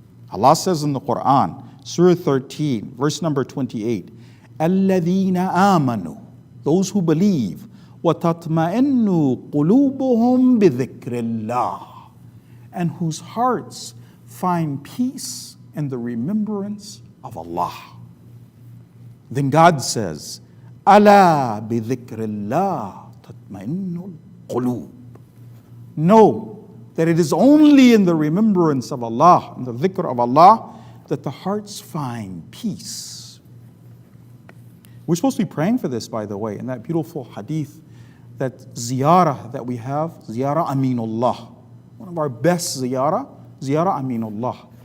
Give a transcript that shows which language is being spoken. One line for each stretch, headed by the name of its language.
English: Allah says in the Quran, Surah 13, verse number 28,
Arabic: الَّذِينَ آمَنُوا,
English: those who believe,
Arabic: وَتَطْمَئِنُّوا قُلُوبُهُمْ بِذِكْرِ اللَّهِ,
English: and whose hearts find peace in the remembrance of Allah. Then God says,
Arabic: أَلَا بِذِكْرِ اللَّهِ تَطْمَئِنُّ الْقُلُوبُ.
English: Know that it is only in the remembrance of Allah, in the dhikr of Allah, that the hearts find peace. We're supposed to be praying for this, by the way, in that beautiful hadith, that ziyarah that we have, ziyarah Aminullah, one of our best ziyarah, ziyarah Aminullah.